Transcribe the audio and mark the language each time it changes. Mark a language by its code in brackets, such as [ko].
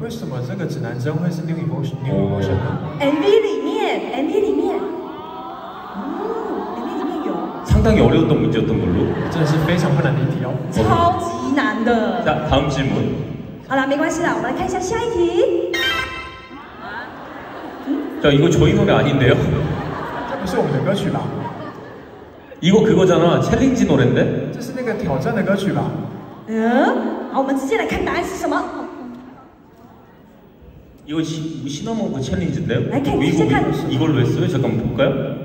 [zh] 为什么这个指南针会是뉴이모션？ [ko] 뉴이모션 [zh] MV 里面 ，MV 里面，哦 ，MV 里面有。 [ko] 상당히어려웠던문제였던걸로。 [zh] 真的是非常困难的一题哦。超级难的。 [ko] 자다음질문 [zh] 好了，没关系了，我们来看一下下一题。 [ko] 자이거저희노래아닌데요 [zh] 这不是我们的歌曲吧？ [ko] 이거그거잖아챌린지노래인데 [zh] 这是那个挑战的歌曲吧？嗯，好，我们直接来看答案是什么。 [ko] 이거시나몬그챌린지인데요 [zh] 来看，先看。 [ko] 이걸로했어요잠깐볼까요